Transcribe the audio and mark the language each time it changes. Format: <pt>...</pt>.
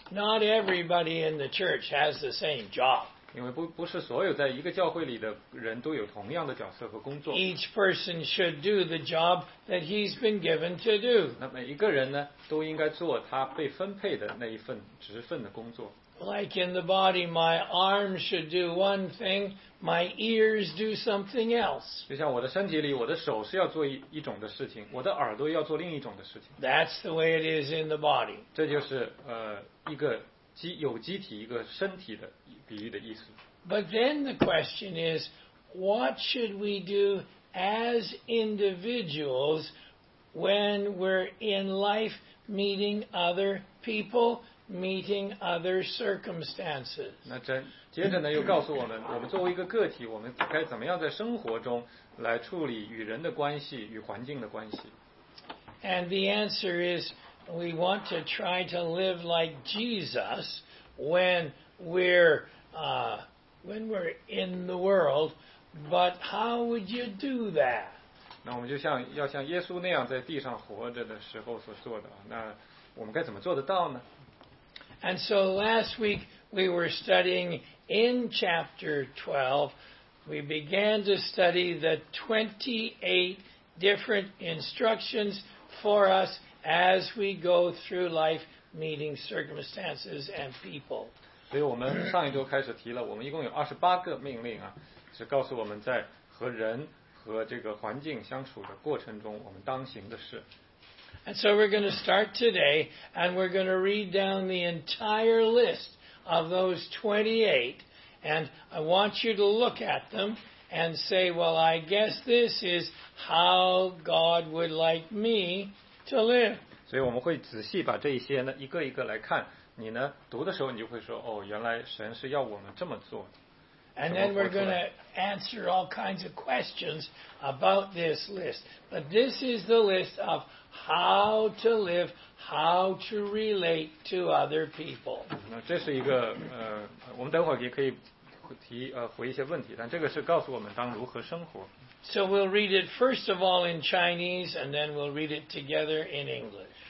<en>Not everybody in the church has the same job.</en> <zh>因为不是所有在一个教会里的人都有同样的角色和工作。</zh> <en>Each person should do the job that he's been given to do.</en> <zh>那每一个人呢，都应该做他被分配的那一份职分的工作。</zh> <en>Like in the body, my arm should do one thing, my ears do something else.</en> <zh>就像我的身体里，我的手是要做一种的事情，我的耳朵要做另一种的事情。</zh> <en>That's the way it is in the body.</en> <zh>这就是一个有机体一个身体的比喻的意思。</zh> <en>But then the question is, what should we do as individuals when we're in life meeting other people? Meeting other circumstances.</en> <zh>那接着呢，又告诉我们，我们作为一个个体，我们该怎么样在生活中来处理与人的关系与环境的关系。</zh> <en>And the answer is, we want to try to live like Jesus when we're in the world. But how would you do that?</en> <zh>那我们就像要像耶稣那样在地上活着的时候所做的，那我们该怎么做得到呢？</zh> <en>And so last week we were studying in chapter 12. We began to study the 28 different instructions for us as we go through life meeting circumstances and people.</en> <zh>所以我们上一周开始提了，我们一共有28个命令啊，是告诉我们在和人和这个环境相处的过程中我们当行的事。</zh> <en>And so we're going to start today, and we're going to read down the entire list of those 28. And I want you to look at them and say, well, I guess this is how God would like me to live.</en> <zh>所以我们会仔细把这些呢一个一个来看。你呢读的时候，你就会说，哦，原来神是要我们这么做。</zh> <en>And then we're going to answer all kinds of questions about this list. But this is the list of how to live, how to relate to other people.</en> <zh>那这是一个我们等会儿也可以提回一些问题，但这个是告诉我们当如何生活。</zh> <en>So we'll read it first of all in Chinese, and then we'll read it together in English.</en>